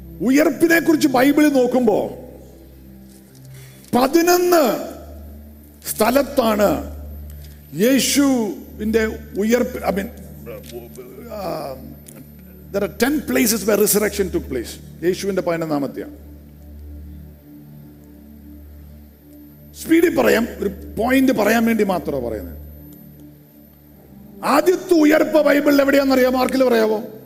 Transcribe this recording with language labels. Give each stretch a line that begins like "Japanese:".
Malayalam: ഉയർപ്പിനെ കുറിച്ച് ബൈബിളിൽ നോക്കുമ്പോ 11 സ്ഥലത്താണ് യേശു ഉയർപ്പ്.
English: I mean there are 10 places where resurrection took place.
Malayalam: യേശുവിന്റെ 11-ാമത്തെ സ്പീഡിൽ പറയാം, ഒരു പോയിന്റ് പറയാൻ വേണ്ടി മാത്രം പറയുന്നത്. ആദ്യത്തെ ഉയർപ്പ് ബൈബിളിൽ എവിടെയാണെന്നറിയാം? മാർക്കിൽ പറയാവോ?